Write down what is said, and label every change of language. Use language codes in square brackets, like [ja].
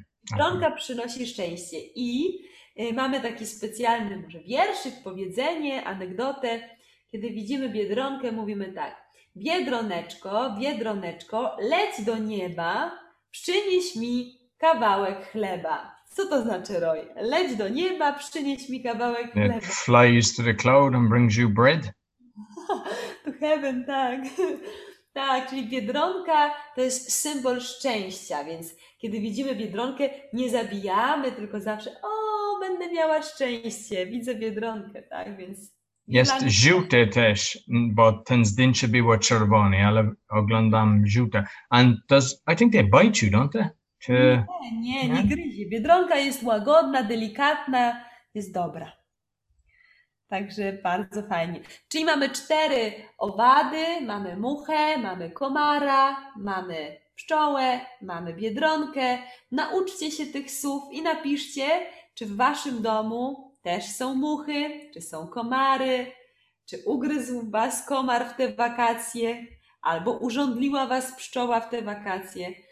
[pl] Biedronka przynosi szczęście. I mamy taki specjalny może wierszyk, powiedzenie, anegdotę. Kiedy widzimy biedronkę, mówimy tak. Biedroneczko, biedroneczko, leć do nieba, przynieś mi kawałek chleba. Co to znaczy, Roy? Leć do nieba, przynieś mi kawałek chleba. [en] It flies to the cloud and brings you bread. To heaven, [pl] tak. Tak, czyli biedronka to jest symbol szczęścia, więc kiedy widzimy biedronkę, nie zabijamy, tylko zawsze, o, będę miała szczęście, widzę biedronkę, tak, więc... Jest żółte też, bo ten zdjęcie było czerwone, ale oglądam żółte. [en] And does, I think they bite you, don't they? [pl] Nie gryzie. Biedronka jest łagodna, delikatna, jest dobra. Także bardzo fajnie. Czyli mamy cztery owady, mamy muchę, mamy komara, mamy pszczołę, mamy biedronkę. Nauczcie się tych słów i napiszcie, czy w waszym domu też są muchy, czy są komary, czy ugryzł was komar w te wakacje, albo urządliła was pszczoła w te wakacje.